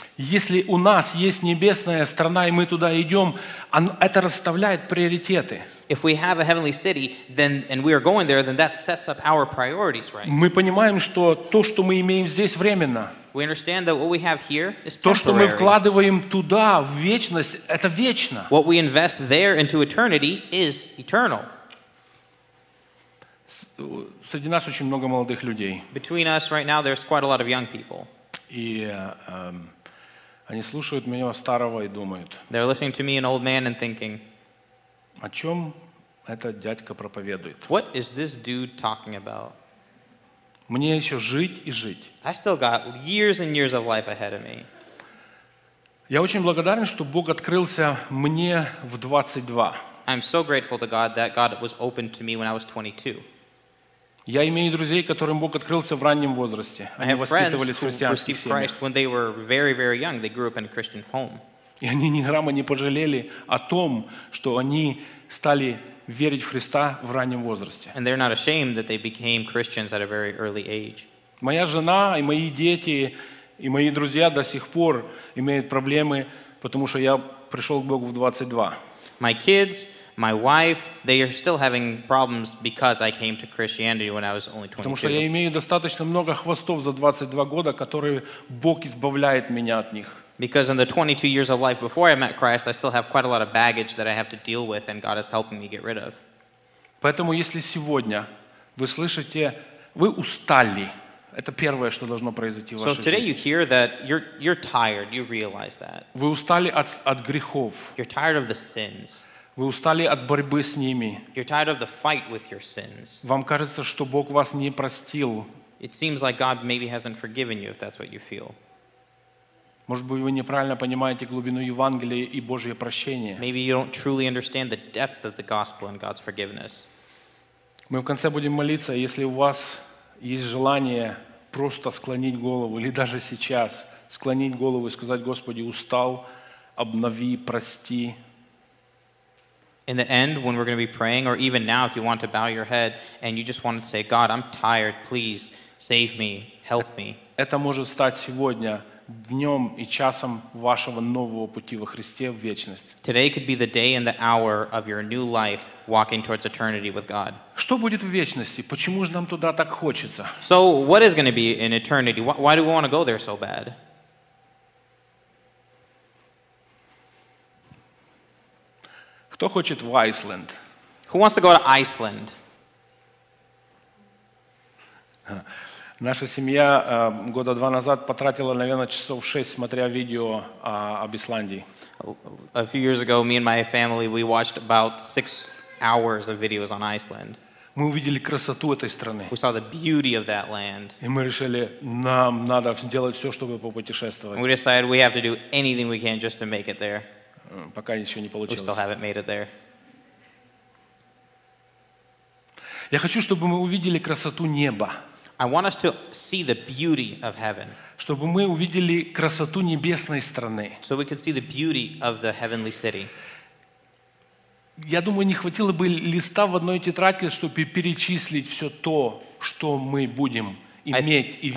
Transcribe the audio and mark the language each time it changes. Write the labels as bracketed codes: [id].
[ru] Если у нас есть небесная страна, и мы туда идем, это расставляет приоритеты. [en] If we have a heavenly city, then and we are going there, then that sets up our priorities, right? [ru] Мы понимаем, что то, что мы имеем здесь, временно. [en] We understand that what we have here is temporary. [ru] То, что мы вкладываем туда, в вечность, это вечно. [en] What we invest there into eternity is eternal. [ru] Среди нас очень много молодых людей. [en] Between us right now, there's quite a lot of young people. [ru] И они слушают меня старого и думают. [en] They're listening to me, an old man, and thinking. [ru] О чем этот дядька проповедует? [en] What is this dude talking about? [ru] Мне еще жить и жить. [en] I still got years and years of life ahead of me. [ru] Я очень благодарен, что Бог открылся мне в 22. [en] I'm so grateful to God that God was open to me when I was 22. [ru] Я имею друзей, которым Бог открылся в раннем возрасте. Они воспитывались в христианских семьях. [en] When they were very, very young, they grew up in a Christian home. [ru] И они ни грамма не пожалели о том, что они стали верить в Христа в раннем возрасте. [en] And they're not ashamed that they became Christians at a very early age. [ru] Моя жена и мои дети и мои друзья до сих пор имеют проблемы, потому что я пришел к Богу в 22. [en] My kids, my wife, they are still having problems because I came to Christianity when I was only 22. [ru] Потому что я имею достаточно много хвостов за 22 года, которые Бог избавляет меня от них. [en] Because in the 22 years of life before I met Christ, I still have quite a lot of baggage that I have to deal with and God is helping me get rid of. [ru] Поэтому если сегодня вы слышите, вы устали, это первое, что должно произойти в вашей жизни. [en] So today you hear that you're tired, you realize that. [ru] Вы устали от грехов. [en] You're tired of the sins. [ru] Вы устали от борьбы с ними. [en] You're tired of the fight with your sins. [ru] Вам кажется, что Бог вас не простил. [en] It seems like God maybe hasn't forgiven you, if that's what you feel. [ru] Может быть, вы неправильно понимаете глубину Евангелия и Божье прощение. [en] Maybe you don't truly understand the depth of the gospel and God's forgiveness. [ru] Мы в конце будем молиться, если у вас есть желание просто склонить голову, или даже сейчас склонить голову и сказать: Господи, устал, обнови, прости. [en] In the end, when we're going to be praying, or even now, if you want to bow your head and you just want to say, God, I'm tired, please save me, help me. [ru] Это может стать сегодня днем и часом вашего нового пути во Христе в вечность. [en] Today could be the day and the hour of your new life walking towards eternity with God. [ru] Что будет в вечности? Почему же нам туда так хочется? [en] So what is going to be in eternity? Why do we want to go there so bad? [ru] Кто хочет в Iceland? [en] Who wants to go to Iceland? [ru] Наша семья года два назад потратила, наверное, часов шесть, смотря видео об Исландии. [en] A few years ago, me and my family, we watched about 6 hours of videos on Iceland. [ru] Мы увидели красоту этой страны. [en] We saw the beauty of that land. [ru] И мы решили, нам надо сделать все, чтобы попутешествовать. [en] We decided we have to do anything we can just to make it there. [ru] Пока еще не получилось. [en] We still haven't made it there. [ru] Я хочу, чтобы мы увидели красоту неба. [en] I want us to see the beauty of heaven. [ru] Чтобы мы увидели красоту небесной страны. [en] So we can see the beauty of the heavenly city. [ru] Я думаю, не хватило бы листа в одной тетрадке, чтобы перечислить все то, что мы будем иметь и видеть.